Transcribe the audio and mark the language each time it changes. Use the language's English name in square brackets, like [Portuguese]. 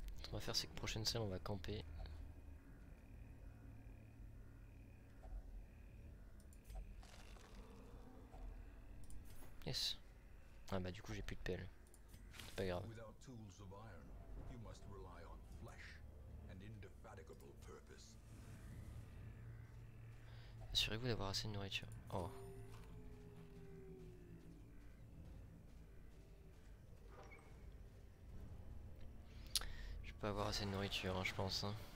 [French] On va faire c'est que prochaine scène on va camper. [English] Yes. [French] Ah bah du coup j'ai plus de pelle. C'est pas grave. [English] Without tools of iron, you must rely on flesh and indefatigable purpose. [French] Assurez-vous d'avoir assez de nourriture. Oh. Pas avoir assez de nourriture, hein, je pense. Hein.